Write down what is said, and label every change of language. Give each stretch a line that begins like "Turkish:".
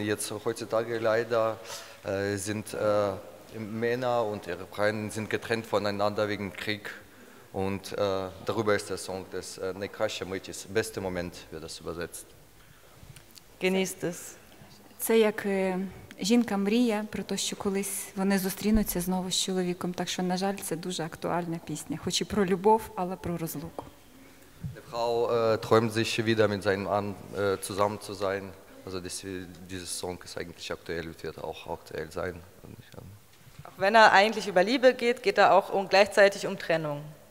German: Jetzt heutzutage leider sind Männer und ihre Freunde sind getrennt voneinander wegen Krieg. Und darüber ist der Song des Nekrasche Mütis. Beste Moment, wird das übersetzt. Genießt es.
Ukrainian: Це як жінка мріє про те, що колись вони зустрінуться знову з чоловіком. Так що, на жаль, це дуже актуальна пісня. Хоч і про любов, але про розлуку.
German: Die Frau träumt sich wieder mit seinem Mann zusammen zu sein. Also dieses Song ist eigentlich aktuell und wird auch aktuell sein. Auch wenn er eigentlich über Liebe geht, geht er auch gleichzeitig um Trennung.